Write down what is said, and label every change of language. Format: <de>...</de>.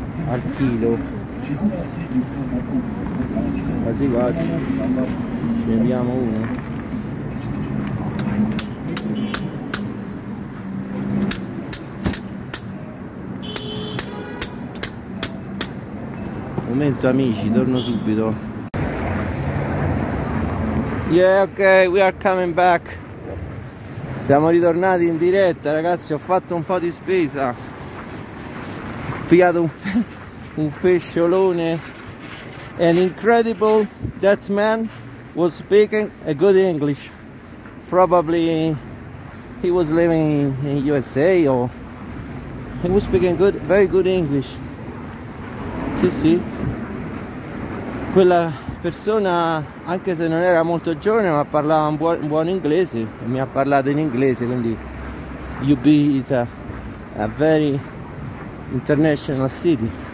<it>Al chilo, quasi quasi, prendiamo uno.</it> <en>Thank you.</en> <it>Momento amici, torno subito.</it> <en>Yeah, ok, we are coming back.</en> <it>Siamo ritornati in diretta, ragazzi, ho fatto un po' di spesa. Ho pigliato un pesciolone.</it> <en>An incredible, that man was speaking a good English. Probably he was living in USA or he was speaking good, very good English.</en> <it>Sì, sì. Quella persona, anche se non era molto giovane, ma parlava un buon inglese, mi ha parlato in inglese, quindi</it> <en>UB is a very international city.</en>